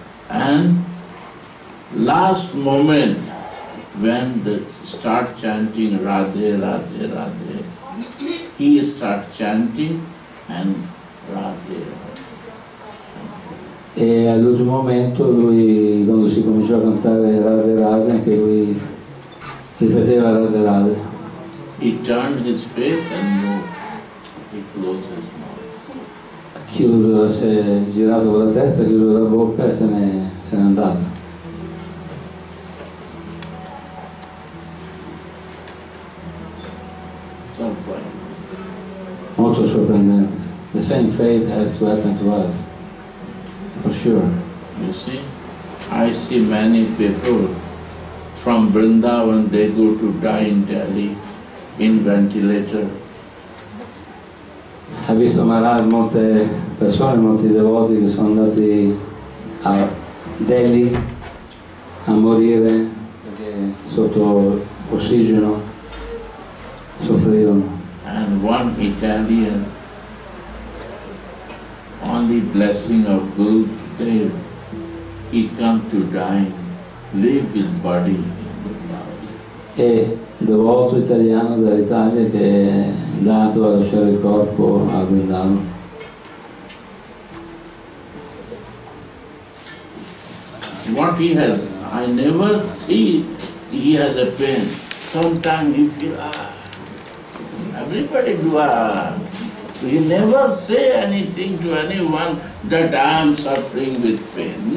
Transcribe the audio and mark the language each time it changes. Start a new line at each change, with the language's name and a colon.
English: Last moment when they start chanting Radhe, Radhe, Radhe, he start chanting and Radhe, Radhe.
Italian: E all'ultimo momento lui, quando si cominciò a cantare Radhe, Radhe, anche lui ripeteva Radhe, Radhe.
English: He turned his face and moved. He closed his mouth.
Italian: Chiuso, si è girato con la testa, chiuso la bocca e se n'è andato. Molto sorprendente.
English: The same fate has to happen to us, for sure. You see, I see many people from Vrindavan, they go to die in Delhi, in ventilator.
Italian: Ho visto Maharaj, molte persone, molti devoti che sono andati a Delhi a morire sotto ossigeno, soffrivano.
English: And one Italian, on the blessing of Gurudev, he come to die, leave his body in the ground.
Italian: E devoto italiano dall'Italia che è andato a lasciare il corpo a Vrindavan.
English: What he has, I never see he has a pain. Sometimes he feel, everybody do he never say anything to anyone that I am suffering with pain.